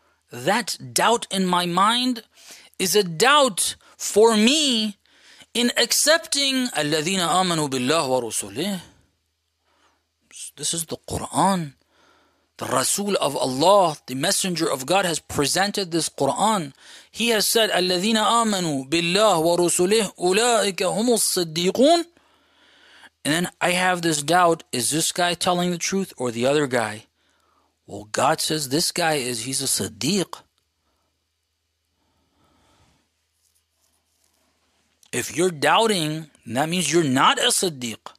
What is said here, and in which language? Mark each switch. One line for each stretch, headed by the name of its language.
English: That doubt in my mind is a doubt for me in accepting
Arabic: الَّذِينَ آمَنُوا بِاللَّهِ وَرُسُولِهِ.
English: This is the Qur'an. The Rasul of Allah, the Messenger of God, has presented this Qur'an. He has said,
Arabic: الَّذِينَ آمَنُوا بِاللَّهِ وَرُسُولِهِ أُولَٰئِكَ هُمُ الصَّدِّيقُونَ.
English: And then I have this doubt, is this guy telling the truth or the other guy? Well, God says this guy is, he's a Siddiq. If you're doubting, that means you're not a Siddiq.